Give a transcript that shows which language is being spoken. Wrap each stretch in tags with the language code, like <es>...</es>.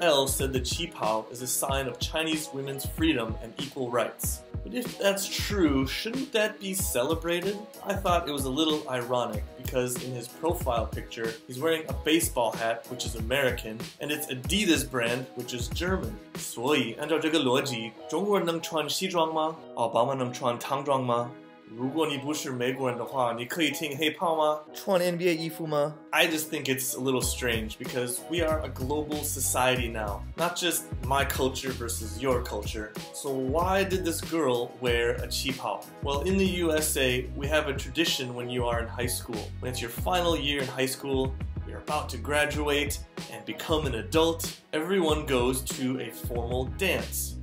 <en>L said the qipao is a sign of Chinese women's freedom and equal rights. But if that's true, shouldn't that be celebrated? I thought it was a little ironic because in his profile picture, he's wearing a baseball hat, which is American, and it's Adidas brand, which is German.</en> <zh>所以按照这个逻辑，中国人能穿西装吗？奥巴马能穿唐装吗？如果你不是美国人的话，你可以听黑炮吗？穿 NBA 衣服吗？</zh> <en>I just think it's a little strange because we are a global society now, not just my culture versus your culture. So why did this girl wear a qipao? Well, in the USA, we have a tradition when you are in high school. When it's your final year in high school,You're about to graduate and become an adult, everyone goes to a formal dance.</en>